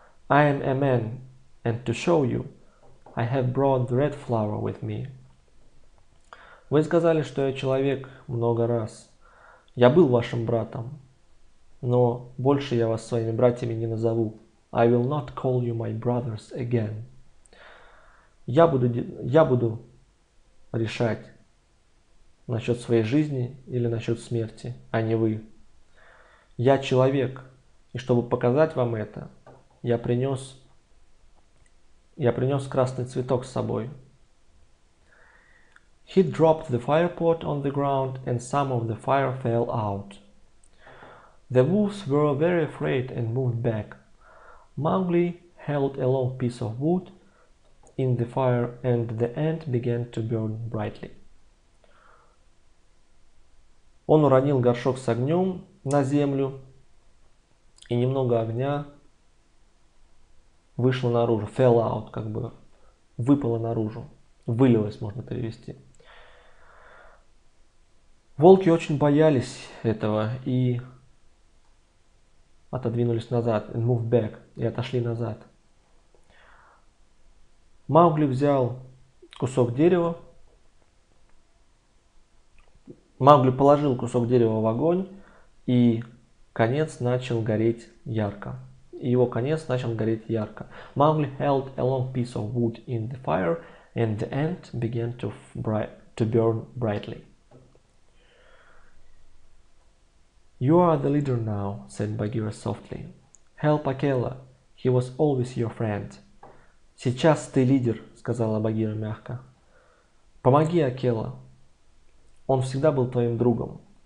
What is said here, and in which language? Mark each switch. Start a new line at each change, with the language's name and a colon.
English: I am a man, and to show you, I have brought the red flower with me.
Russian: Вы сказали, что я человек много раз. Я был вашим братом, но больше я вас своими братьями не назову.
English: I will not call you my brothers again.
Russian: Я буду решать насчет своей жизни или насчет смерти, а не вы. Я человек, и чтобы показать вам это, я принес красный цветок с собой.
English: He dropped the firepot on the ground, and some of the fire fell out. The wolves were very afraid and moved back. Mowgli held a long piece of wood in the fire, and the ant began to burn brightly.
Russian: Он уронил горшок с огнем на землю, и немного огня вышло наружу,
English: fell out,
Russian: как бы выпало наружу, вылилось, можно перевести. Волки очень боялись этого и отодвинулись назад,
English: and moved back,
Russian: и отошли назад. Маугли взял кусок дерева. Маугли положил кусок дерева в огонь, и конец начал гореть ярко. И его конец начал гореть ярко.
English: Маугли held a long piece of wood in the fire, and the end began to burn brightly. You are the leader now, said Bagheera softly. Help Akela, he was always your friend.
Russian: Сейчас ты лидер, сказала Багира мягко. Помоги Акела, он всегда был твоим другом.